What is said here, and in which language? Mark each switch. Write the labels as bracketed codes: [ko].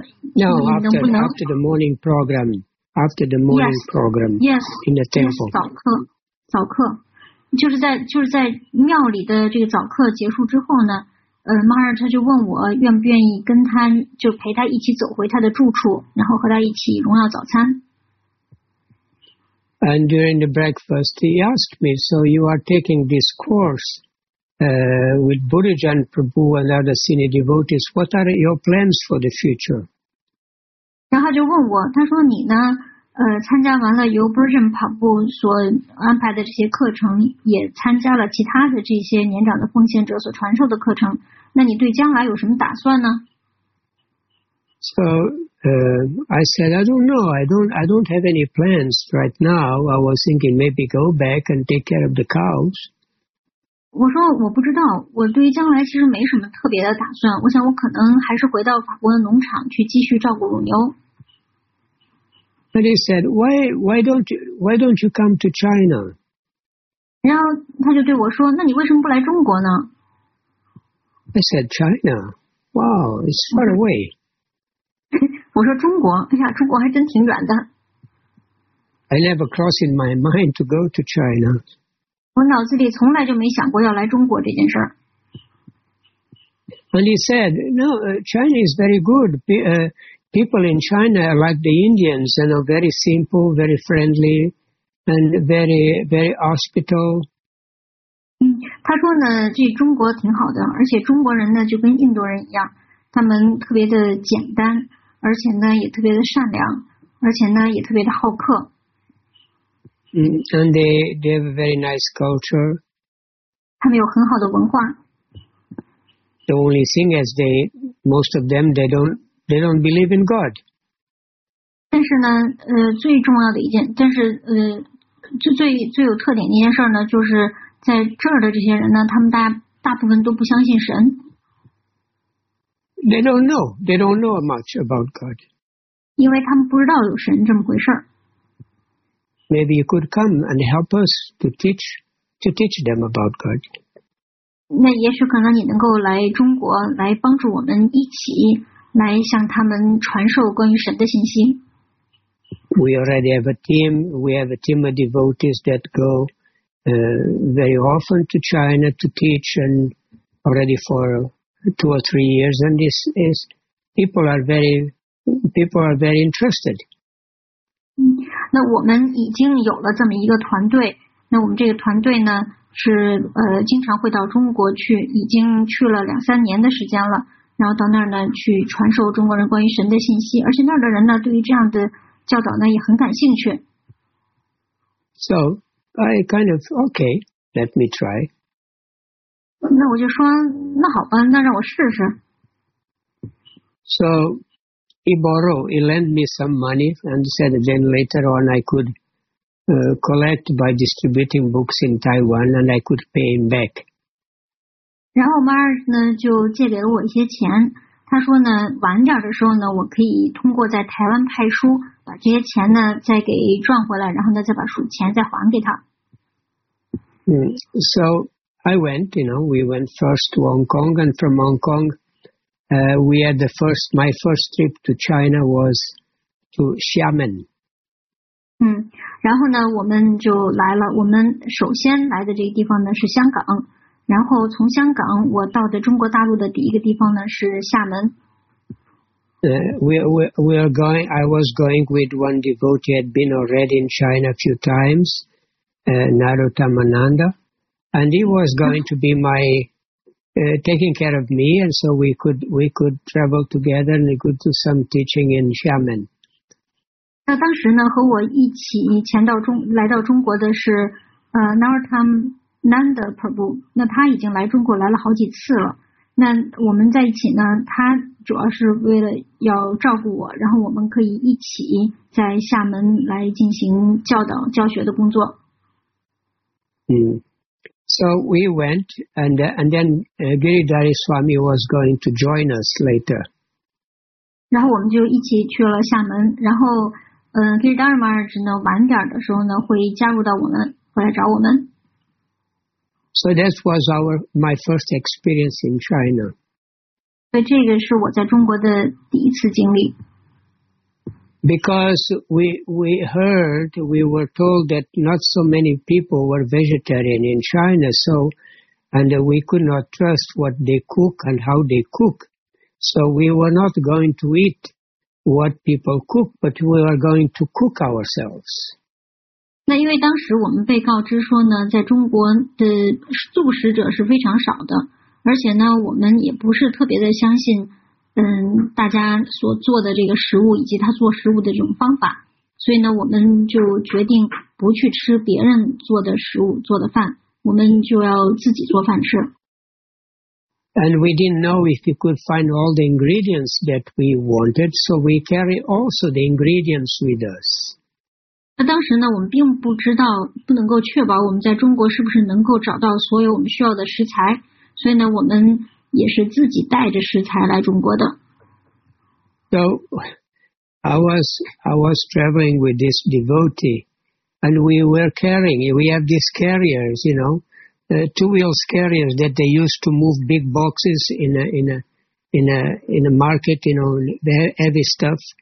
[en] after the morning program. After the morning program, yes, in the temple. [zh] Yes, 早课，就是在庙里的这个早课结束之后呢，Maharaj 他就问我愿不愿意跟他就陪他一起走回他的住处，然后和他一起荣耀早餐。 [en] And during the breakfast, he asked me, "So you are taking this course, with Burijan Prabhu and other senior devotees? What are your plans for the future?" [zh] 然后就问我，他说你呢，参加完了由 Virgin 跑步所安排的这些课程，也参加了其他的这些年长的奉献者所传授的课程，那你对将来有什么打算呢？ [en] So, I said, I don't know. I don't have any plans right now. I was thinking maybe go back and take care of the cows. [zh] 我说我不知道，我对于将来其实没什么特别的打算。我想我可能还是回到法国的农场去继续照顾乳牛。 [en] But he said, why don't you come to China? [zh] 然后他就对我说，那你为什么不来中国呢？ [en] I said, China? Wow, it's far away. [zh] 我说中国，哎呀，中国还真挺远的。 [en] I never crossed in my mind to go to China. [zh] 我脑子里从来就没想过要来中国这件事儿。 [en] And he said, no, China is very good. People in China are like the Indians, you know, very simple, very friendly, and very, very hospitable. [zh] 他说呢，这中国挺好的，而且中国人呢就跟印度人一样，他们特别的简单，而且呢也特别的善良，而且呢也特别的好客。 [en] And they have a very nice culture. [zh] 他们有很好的文化。 [en] The only thing is they, most of them, they don't believe in God. [zh] 但是呢，最重要的一件，但是最有特点的一件事呢，就是在这儿的这些人呢，他们大部分都不相信神。 [en] They don't know much about God. [zh] 因为他们不知道有神这么回事。 [en] Maybe you could come and help us to teach them about God. [zh] 那也许可能你能够来中国来帮助我们一起。来向他们传授关于神的信息。 [en] We already have a team. We have a team of devotees that go, very often to China to teach, and already for 2 or 3 years. And this is people are very interested. [zh] 那我们已经有了这么一个团队。那我们这个团队呢，是经常会到中国去，已经去了两三年的时间了。然后到那儿呢，去传授中国人关于神的信息，而且那儿的人呢，对于这样的教导呢，也很感兴趣。 [en] So I kind of okay, let me try. [zh] 那我就说，那好吧，那让我试试。 [en] So he lent me some money and said then later on I could collect by distributing books in Taiwan and I could pay him back. [zh] 然后马尔呢就借给了我一些钱，他说呢晚点的时候呢我可以通过在台湾派书把这些钱呢再给赚回来，然后呢再把书钱再还给他。 [en] So I went, you know, we went first to Hong Kong, and from Hong Kong, we had the first, my first trip to China was to Xiamen. [zh] 然后呢我们就来了，我们首先来的这个地方呢是香港。然后从香港我到的中国大陆的第一个地方呢是厦门。 [en] I was going with one devotee who had been already in China a few times, Narottamananda, and he was going to be my, taking care of me, and so we could travel together and we could do some teaching in 厦门。 [zh] 那当时呢和我一起来到中国的是Narottamananda Prabhu, 那他已经来中国来了好几次了。那我们在一起呢，他主要是为了要照顾我，然后我们可以一起在厦门来进行教导教学的工作。 [en] So we went, and then Giridhari Swami was going to join us later. [zh] 然后我们就一起去了厦门，然后Giridhari Maharaj 呢晚点的时候呢会加入到我们，会来找我们。 [en] So that was my first experience in China. [zh] 对，这个是我在中国的第一次经历。 [en] Because we were told that not so many people were vegetarian in China, so, and we could not trust what they cook and how they cook. So we were not going to eat what people cook, but we were going to cook ourselves. [zh] 那因为当时我们被告知说呢，在中国的素食者是非常少的，而且呢，我们也不是特别的相信，大家所做的这个食物以及他做食物的这种方法，所以呢，我们就决定不去吃别人做的食物做的饭，我们就要自己做饭吃。 [en] And we didn't know if we could find all the ingredients that we wanted, so we carry also the ingredients with us. [zh] 那当时呢，我们并不知道，不能够确保我们在中国是不是能够找到所有我们需要的食材，所以呢，我们也是自己带着食材来中国的。 [en] So I was traveling with this devotee, and we were carrying. We have these carriers, you know. Two-wheels carriers that they used to move big boxes in a market, you know, very heavy stuff.